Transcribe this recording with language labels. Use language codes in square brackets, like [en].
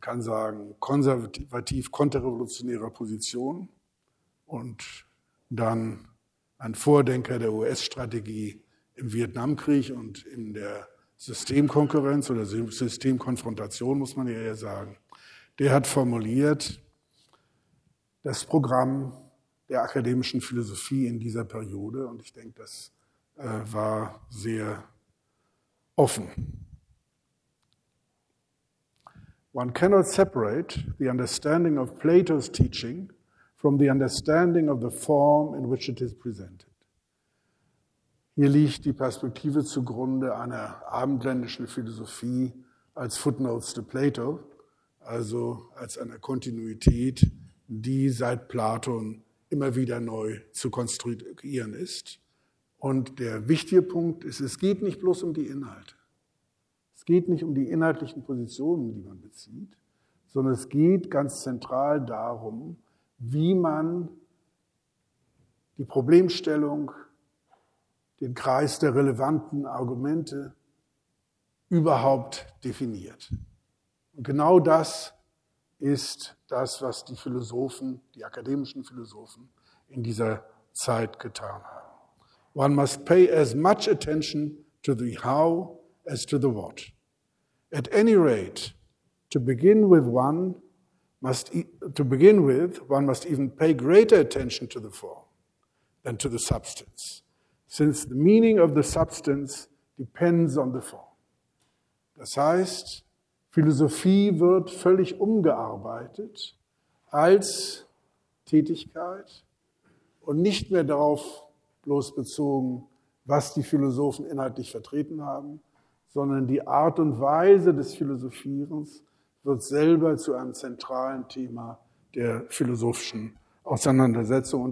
[de] Man kann sagen, konservativ-konterrevolutionärer Position und dann ein Vordenker der US-Strategie im Vietnamkrieg und in der Systemkonkurrenz oder Systemkonfrontation, muss man ja eher sagen, der hat formuliert, das Programm der akademischen Philosophie in dieser Periode, und ich denke, das war sehr offen. [en] One cannot separate the understanding of Plato's teaching from the understanding of the form in which it is presented. [de] Hier liegt die Perspektive zugrunde einer abendländischen Philosophie als [en] Footnotes to Plato, [de] also als einer Kontinuität, die seit Platon immer wieder neu zu konstruieren ist. Und der wichtige Punkt ist, es geht nicht bloß um die Inhalte. Es geht nicht um die inhaltlichen Positionen, die man bezieht, sondern es geht ganz zentral darum, wie man die Problemstellung, den Kreis der relevanten Argumente überhaupt definiert. Und genau das ist das, was die Philosophen, die akademischen Philosophen in dieser Zeit getan haben. [en] One must pay as much attention to the how as to the what. At any rate, to begin with, one must even pay greater attention to the form than to the substance, since the meaning of the substance depends on the form. [de] Das heißt, Philosophie wird völlig umgearbeitet als Tätigkeit und nicht mehr darauf bloß bezogen, was die Philosophen inhaltlich vertreten haben, sondern die Art und Weise des Philosophierens wird selber zu einem zentralen Thema der philosophischen Auseinandersetzung.